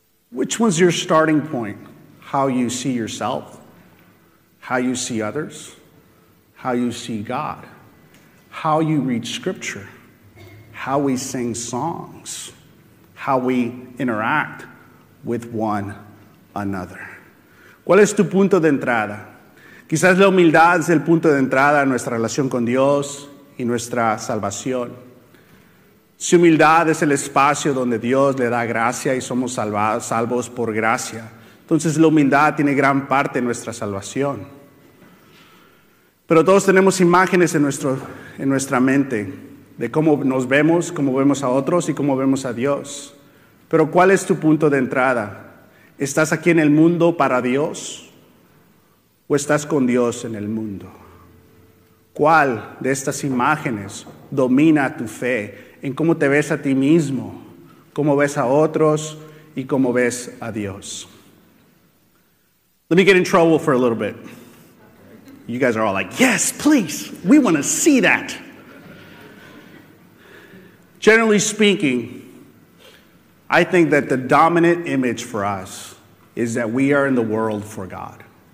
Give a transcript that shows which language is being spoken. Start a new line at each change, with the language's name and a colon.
English: Which was your starting point? How you see yourself, how you see others, how you see God, how you read scripture, how we sing songs, how we interact with one another.
Spanish: ¿Cuál es tu punto de entrada? Quizás la humildad es el punto de entrada a nuestra relación con Dios y nuestra salvación. Si humildad es el espacio donde Dios le da gracia y somos salvos por gracia, entonces la humildad tiene gran parte en nuestra salvación. Pero todos tenemos imágenes en nuestra mente de cómo nos vemos, cómo vemos a otros y cómo vemos a Dios. Pero ¿cuál es tu punto de entrada? ¿Estás aquí en el mundo para Dios o estás con Dios en el mundo? ¿Cuál de estas imágenes domina tu fe? En cómo te ves a ti mismo, cómo ves a otros, y cómo ves a Dios.
English: Let me get in trouble for a little bit. You guys are all like, yes, please, we want to see that. Generally speaking, I think that the dominant image for us is that we are in the world for God.